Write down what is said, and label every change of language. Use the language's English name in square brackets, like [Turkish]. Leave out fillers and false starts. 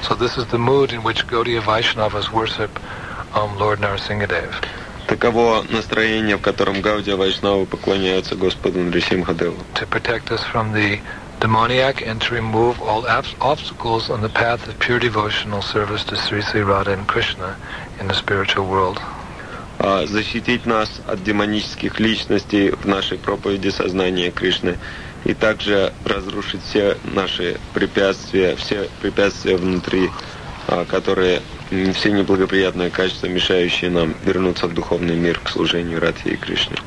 [English] So this is the mood in which Gaudiya Vaishnavas worship Lord Narasimhadev. [Russian] Таково настроение, в котором Гаудия Вайшнавы поклоняются Господу Нрисимхадеву. [English] To protect us from the demoniac and to remove all obstacles on the path of pure devotional service to Sri Sri Radha and Krishna in the spiritual world. [Russian] Защитить нас от демонических личностей в нашей проповеди сознания Кришны и также разрушить все наши препятствия, все препятствия внутри, которые все неблагоприятные качества, мешающие нам вернуться в духовный мир к служению Радхе и Кришне.